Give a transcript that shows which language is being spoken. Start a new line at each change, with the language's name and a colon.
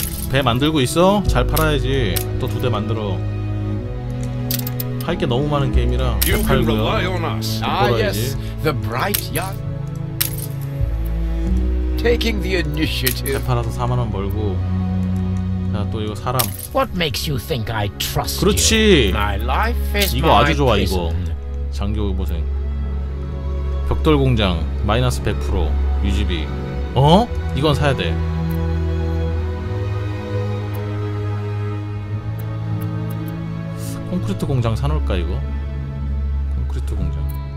Korean: 배 만들고 있어? 잘 팔아야지. 또 두 대 만들어. 할 게 너무 많은 게임이라 배 팔고요. 이끌어야지.
English: The bright young taking the initiative.
Korean: 배 팔아서 4만 원 벌고. 자, 또 이거 사람.
English: What makes you think I trust you?
Korean: 그렇지.
English: My life is
Korean: 이거 아주 좋아
English: prison.
Korean: 이거. 장교 보생. 벽돌 공장 마이너스 100% 유지비. 어? 이건 사야 돼. 콘크리트 공장 사놓을까 이거? 콘크리트 공장.